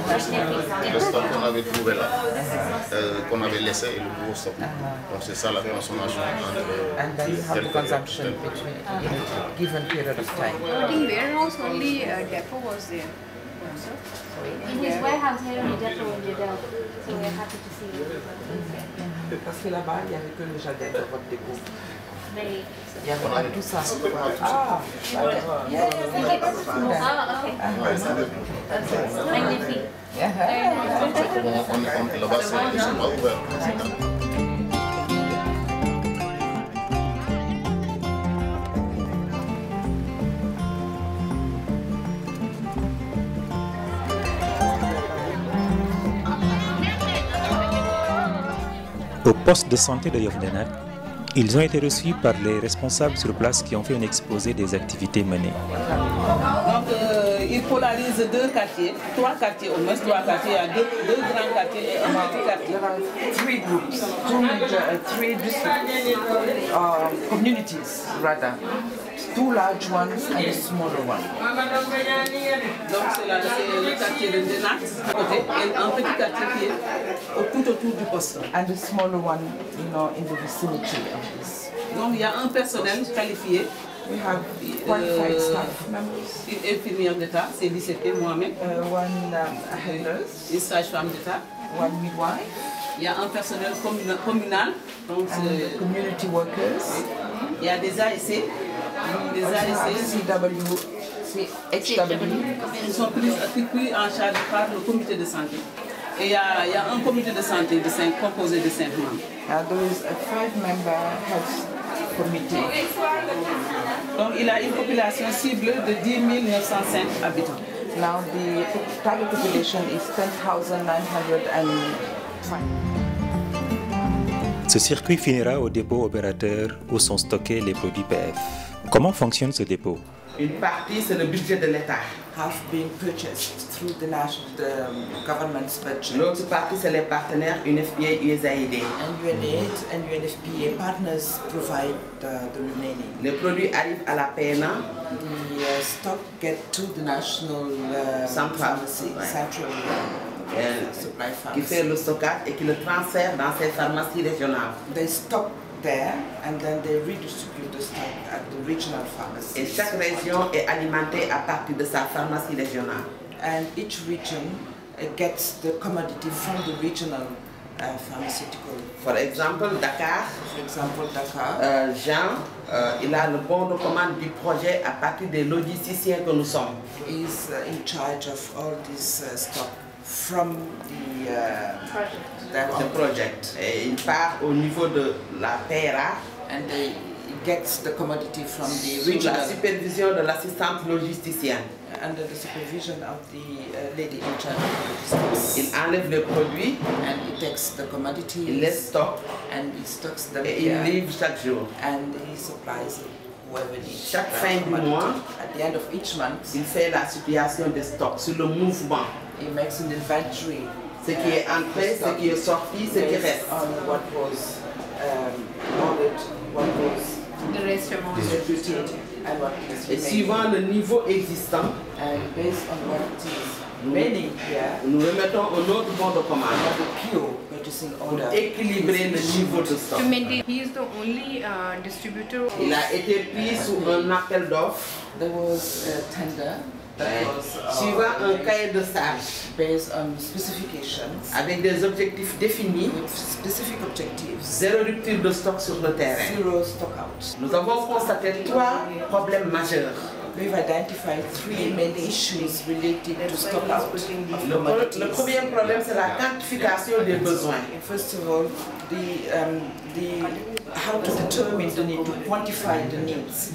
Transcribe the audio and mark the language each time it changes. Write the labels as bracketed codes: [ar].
[fr] Le stock qu'on avait trouvé là, qu'on avait laissé et le nouveau stock. Donc c'est ça la consommation. [en] And then you have the consumption between in a given period of time. I think warehouse only depot was there. In his warehouse, he only depot in Jadel. So we're happy to see you. [fr] Parce que là-bas, il n'y avait que le Jadel dans votre dépôt. Au poste de santé de Yofdenat, ils ont été reçus par les responsables sur place qui ont fait un exposé des activités menées. Donc, il polarise deux quartiers, trois quartiers, au moins trois quartiers, il y a deux grands quartiers et un petit quartier. [en] There are three groups, three districts, communities rather. Two large ones and a smaller one. [fr] Donc, c'est le quartier de Denat, et un petit quartier qui est tout autour du poste. [en] And a smaller one, you know, in the vicinity of this. [fr] Donc, il y a un personnel qualifié. [en] We have qualified staff members. [fr] Une infirmière d'État, c'est l'ICP, moi-même. [en] One nurse. [fr] Une sage-femme d'État. [en] One midwife. [fr] Il y a un personnel communal. Donc, [en] and community workers. [fr] Il y a des ASC. Des ASC. [en] CW. HW. [fr] Ils sont pris en charge par le comité de santé. Et il y a un comité de santé de cinq, composé de 5 membres. [en] There is a 5-member health committee. [fr] Donc il a une population cible de 10 905 habitants. [en] Now the target population is 10,920. [fr] Ce circuit finira au dépôt opérateur où sont stockés les produits PF. Comment fonctionne ce dépôt? Une partie, c'est le budget de l'État. [en] Have been purchased through the national the government's budget. [fr] L'autre partie, c'est les partenaires UNFPA et USAID. [en] And UNAID and UNFPA partners provide the remaining. [fr] Les produits arrivent à la PNA. [en] The stock get to the national central supply pharmacy. [fr] Qui fait le stockage et qui le transfère dans ces pharmacies régionales. [en] They stock there and then they redistribute the stock at the regional pharmacy. [fr] Et chaque région est alimentée à partir de sa pharmacie régionale. [en] And each region gets the commodity from the regional pharmaceutical. For example, Dakar. For example, Dakar. [fr] Jean, il a le bon de commande du projet à partir des logisticiens que nous sommes. [en] He's in charge of all this stock. From the project. That's the project. [fr] Et il part au niveau de la PRA. [en] And he gets the commodity from the regional. [fr] Sous la supervision de l'assistante logisticienne. [en] Under the supervision of the lady in charge of logistics. [fr] Il enlève le produit. [en] And he takes the commodity. [fr] Il les stocke. [en] And he stocks them. [fr] Et il livre chaque jour. [en] And he supplies it. [fr] Chaque fin du mois, [en] at the end of each month, [fr] il fait la situation des stocks sur le mouvement. [en] He makes an inventory. [fr] Ce qui est entré, ce qui est sorti, ce qui reste. [en] On what was ordered, what was distributed, and what is remaining. [fr] Et suivant le niveau existant, [en] and based on what is remaining, [fr] nous remettons un autre bon de commande. [en] The PO, [fr] pour équilibrer le niveau de stock. [en] To maintain, he is the only distributor. [fr] Il a été pris sous un appel d'offres. [en] There was a tender. [fr] Suivant un cahier de charge. [en] Based on specifications. [fr] Avec des objectifs définis. [en] With specific objectives. [fr] Zéro rupture de stock sur le terrain. [en] Zero stock out. [fr] Nous avons constaté trois problèmes majeurs. [en] We've identified three main issues related to stock out. [fr] Le premier problème, c'est la quantification des besoins. [en] First of all, the how to determine the need, to quantify the needs.